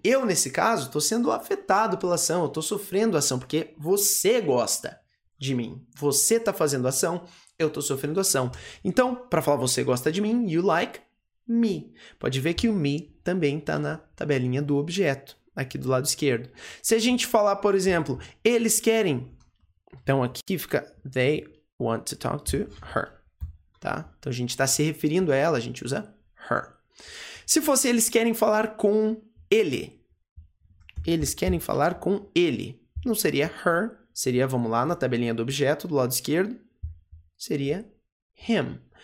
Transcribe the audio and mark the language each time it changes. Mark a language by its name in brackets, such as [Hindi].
[Portuguese] Eu, nesse caso, estou sendo afetado pela ação. Eu estou sofrendo a ação porque você gosta de mim. Você está fazendo ação, eu estou sofrendo ação. Então, para falar você gosta de mim, [English] you like me. [Portuguese] Pode ver que o me também está na tabelinha do objeto, aqui do lado esquerdo. Se a gente falar, por exemplo, eles querem... Então, aqui fica [English] they want to talk to her. [Portuguese] Tá? Então, a gente está se referindo a ela, a gente usa her. Se fosse eles querem falar com ele, eles querem falar com ele, não seria her, seria, vamos lá, na tabelinha do objeto do lado esquerdo, seria him.